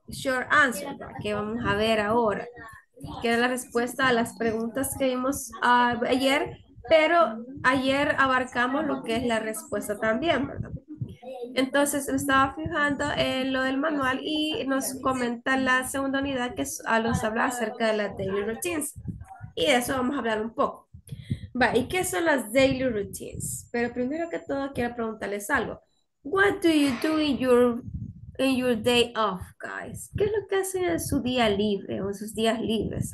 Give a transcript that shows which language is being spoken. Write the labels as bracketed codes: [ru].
[es] Short answer, que vamos a ver ahora, que es la respuesta a las preguntas que vimos ayer, pero ayer abarcamos lo que es la respuesta también, ¿verdad? Entonces estaba fijando en lo del manual y nos comenta la segunda unidad que nos habla acerca de las daily routines, y de eso vamos a hablar un poco. Va, ¿y qué son las daily routines? Pero primero que todo quiero preguntarles algo. [en] What do you do in your in your day off, guys? [es] ¿Qué es lo que hacen en su día libre o en sus días libres?